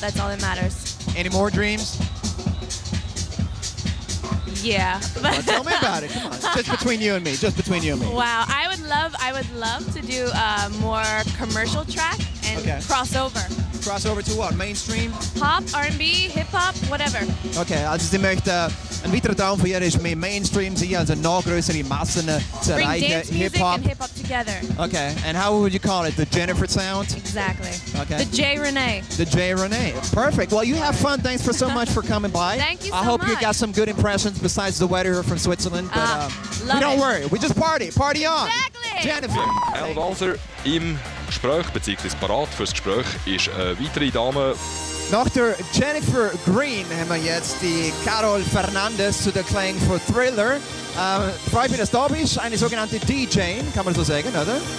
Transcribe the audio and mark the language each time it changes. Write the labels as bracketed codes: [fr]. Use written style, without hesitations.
[en] That's all that matters. Any more dreams? Yeah. Well, tell me about it. Come on. Just between you and me. Just between you and me. Wow. I would love to do a more commercial track and crossover. Crossover to what? Mainstream? Pop, R&B, hip-hop, whatever. Okay. [de] Also, sie möchte ein weiterer Traum von ihr ist, mehr Mainstream sie also noch größere Massen zu erreichen. [en] Bring dance music and hip-hop together. Okay. And how would you call it? The Jennifer sound? Exactly. Okay. The J. Renee. The J. Renee. Perfect. Well, you have fun. Thanks for so much for coming by. Thank you so much. I hope you got some good impressions besides the weather here from Switzerland. But don't worry. We just party. Party on. Exactly. Jennifer. [de] El Walser im Gespräch, beziehungsweise parat fürs Gespräch, ist eine weitere Dame. Nach der Jennifer Green haben wir jetzt die Carol Fernandez zu der Klang für Thriller. Freut mich, dass du da bist, eine sogenannte DJ, kann man so sagen, oder?